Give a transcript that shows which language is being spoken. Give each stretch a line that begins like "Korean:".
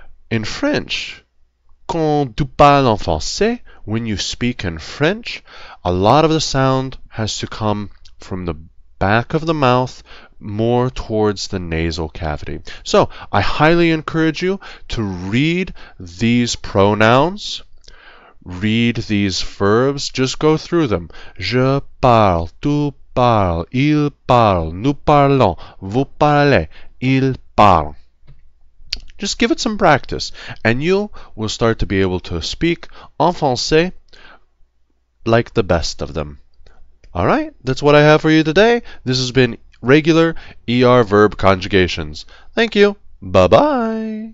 English: In French,
French: quand tu parles en français,
English: when you speak in French, a lot of the sound has to come from the back of the mouth, more towards the nasal cavity. So, I highly encourage you to read these pronouns, read these verbs, just go through them.
French: Je parle, tu parles, il parle, nous parlons, vous parlez, il parle.
English: Just give it some practice, and you will start to be able to speak en français like the best of them. All right, that's what I have for you today. This has been regular ER verb conjugations. Thank you. Bye-bye.